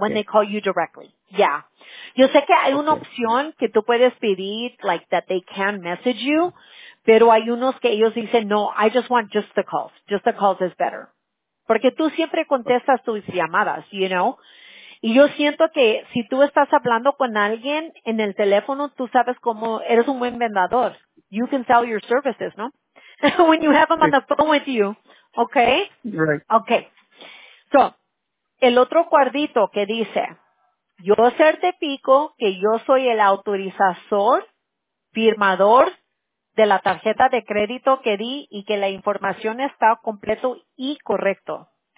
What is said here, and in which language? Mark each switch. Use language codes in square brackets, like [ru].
[en] When they call you directly. Yeah. [es] Yo sé que hay una opción que tú puedes pedir, [en] like that they can message you, [es] pero hay unos que ellos dicen, no, [en] I just want just the calls. Just the calls is better. [es] Porque tú siempre contestas tus llamadas, [en] you know. [es] Y yo siento que si tú estás hablando con alguien en el teléfono, tú sabes cómo eres un buen vendedor. [en] You can sell your services, ¿no? When you have them on the phone with you. Okay? Right. Okay. [es] So, el otro cuadrito que dice, yo certifico que yo soy el autorizador, firmador de la tarjeta de crédito que di y que la información está completo y correcto.